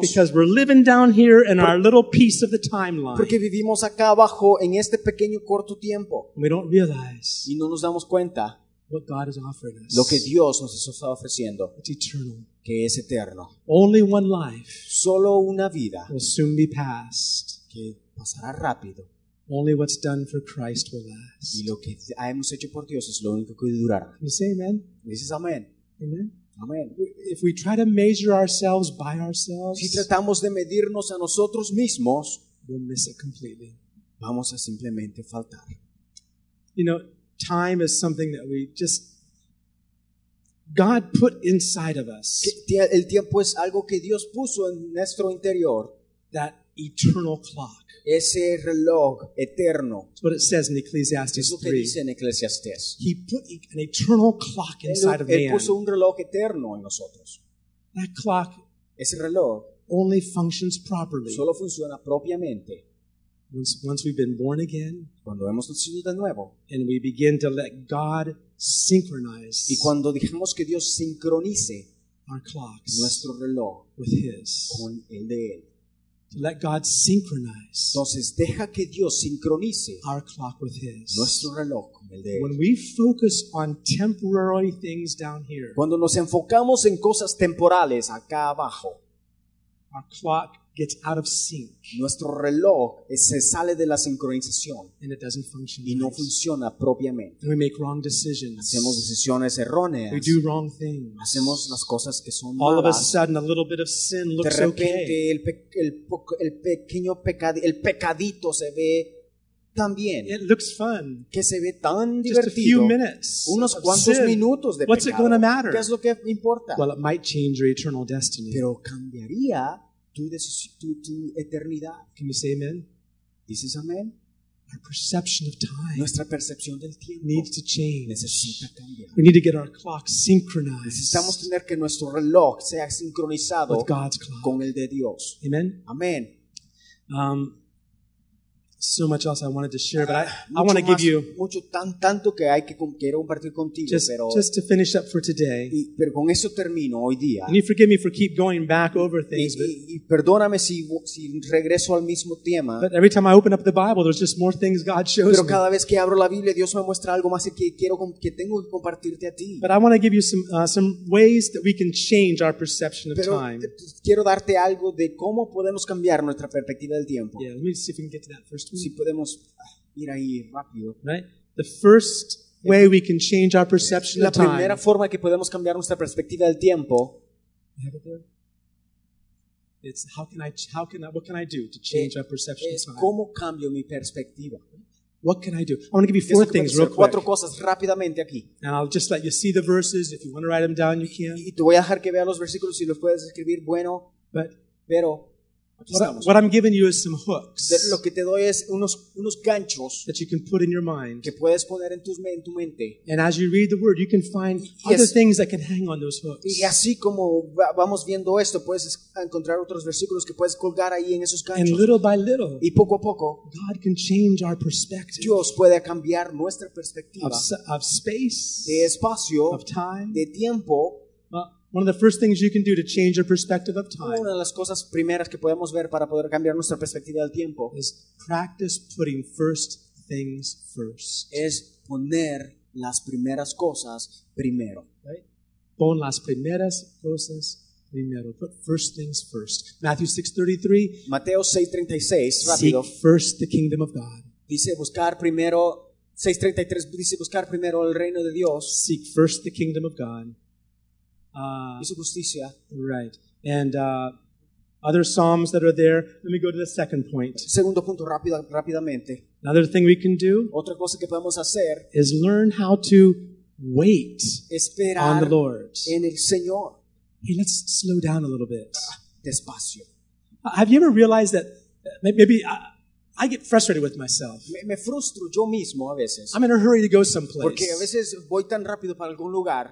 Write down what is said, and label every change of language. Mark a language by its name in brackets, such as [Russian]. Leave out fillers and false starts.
[English] Because we're living down here in our little piece of the timeline. [Spanish] Porque vivimos acá abajo en este pequeño corto tiempo. [English] We don't realize. [Spanish] Y no nos damos cuenta. [English] What God is offering us. [Spanish] Lo que Dios nos está ofreciendo. [English] It's eternal. [Spanish] Que es eterno. [English] Only one life. [Spanish] Solo una vida. [English] Will soon be passed. [Spanish] Que pasará rápido. [English] Only what's done for Christ will last. [Spanish] Y lo que hemos hecho por Dios es lo único que durará. [English] Can you say amen? [Spanish] Dices amén. [English] Amen. [Spanish] Amen. [English] If we try to measure ourselves by ourselves, [Spanish] si tratamos de medirnos a nosotros mismos, [English] we'll miss it completely. [Spanish] Vamos a simplemente faltar. [English] You know, time is something that we just God put inside of us. [Spanish] El tiempo es algo que Dios puso en nuestro interior. [English] That eternal clock. [Spanish] Ese reloj eterno. [English] That's what it says in Ecclesiastes 3. [Spanish] Es lo que dice en Ecclesiastes. [English] He put an eternal clock inside of man. [Spanish] Él puso un reloj eterno en nosotros. [English] That clock. [Spanish] Ese reloj. [English] Only functions properly. [Spanish] Solo funciona propiamente. [English] Once we've been born again. [Spanish] Cuando hemos nacido de nuevo. [English] And we begin to let God synchronize. [Spanish] Y cuando dejamos que Dios sincronice. [English] Our clocks. [Spanish] Nuestro reloj. [English] With His. [Spanish] Con el de Él. [English] Let God synchronize. [Spanish] Entonces deja que Dios sincronice [English] our clock with His. [Spanish] Nuestro reloj con el de Él. [English] When we focus on temporary things down here. [Spanish] Cuando nos enfocamos en cosas temporales acá abajo. [English] Our clock gets out of sync. [Spanish] Nuestro reloj se sale de la sincronización. [English] And it doesn't function. [Spanish] Y no funciona propiamente. [English] And we make wrong decisions. [Spanish] Hacemos decisiones erróneas. [English] We do wrong things. [Spanish] Hacemos las cosas que son [English] all [Spanish] malas. [English] All of a sudden, a little bit of sin looks [Spanish] okay. De repente, [English] okay. [Spanish] El pequeño pecadito se ve tan bien. [English] It looks fun. [Spanish] Que se ve tan divertido. [English] A few minutes. [Spanish] Unos cuantos [English] sin. [Spanish] Minutos de [English] what's What's it going to matter? [Spanish] ¿Qué es lo que importa? [English] Well, it might change your eternal destiny. [Spanish] Pero cambiaría. Tu eternidad. [English] Can you say amen? [Spanish] Dices amen? [English] Our perception of time. [Spanish] Nuestra percepción del tiempo. [English] Needs to change. [Spanish] Necesita cambiar. [English] We need to get our clock synchronized. [Spanish] Necesitamos tener que nuestro reloj sea sincronizado [English] with God's clock. [Spanish] Con el de Dios. [English] Amen? [Spanish] Amen. [English] So much else I wanted to share, but I want to give you [Spanish] mucho tanto que hay que quiero compartir contigo, pero [English] just to finish up for today. [Spanish] Y, pero con eso termino hoy día. [English] And you forgive me for keep going back over things. [Spanish] Y perdóname si regreso al mismo tema. [English] But every time I open up the Bible, there's just more things God shows me. [Spanish] Pero cada vez que abro la Biblia, Dios me muestra algo más que tengo que compartirte a ti. [English] But I want to give you some ways that we can change our perception of time. [Spanish] Quiero darte algo de cómo podemos cambiar nuestra perspectiva del tiempo. [English] Yeah, let me see if we can get to that first. [Spanish] Si podemos ir ahí rápido. [English] Right? The first way we can change our perception of time. [Spanish] La primera forma que podemos cambiar nuestra perspectiva del tiempo. [English] It's what can I do to change our perception of time? [Spanish] Es cómo cambio mi perspectiva. [English] What can I do? I want to give you four things real quick. [Spanish] Cuatro cosas rápidamente aquí. [English] And I'll just let you see the verses. If you want to write them down, you can. [Spanish] Y te voy a dejar que veas los versículos si los puedes escribir. Bueno, [English] but [Spanish] pero [English] What I'm giving you is some hooks [Spanish] lo que te doy es unos ganchos [English] that you can put in your mind. [Spanish] Que puedes poner en tu mente. [English] And as you read the word, you can find other things that can hang on those hooks. [Spanish] Y así como vamos viendo esto, puedes encontrar otros versículos que puedes colgar ahí en esos ganchos. [English] And little by little, [Spanish] y poco a poco, [English] God can change our perspective. [Spanish] Dios puede cambiar nuestra perspectiva [English] of space, [Spanish] de espacio, [English] of time, [Spanish] de tiempo. [English] One of the first things you can do to change your perspective of time. [Spanish] Una de las cosas primeras que podemos ver para poder cambiar nuestra perspectiva del tiempo [English] is practice putting first things first. [Spanish] Es poner las primeras cosas primero. [English] Right? [Spanish] Pon las primeras cosas primero. [English] Put first things first. Matthew 6:33. [Spanish] Mateo 6:36. Rápido. [English] Seek first the kingdom of God. [Spanish] Dice buscar primero. 6:33 dice buscar primero el reino de Dios. [English] Seek first the kingdom of God. [Spanish] Justicia. [English] Right. And other psalms that are there. Let me go to the second point. [Spanish] Segundo punto, rápidamente. [English] Another thing we can do. [Spanish] Otra cosa que podemos hacer [English] is learn how to wait [Spanish] esperar [English] on the Lord. [Spanish] En el Señor. [English] Hey, let's slow down a little bit. [Spanish] Despacio. [English] Have you ever realized that maybe I get frustrated with myself. [Spanish] Me frustro yo mismo a veces. [English] I'm in a hurry to go someplace. [Spanish] Porque a veces voy tan rápido para algún lugar.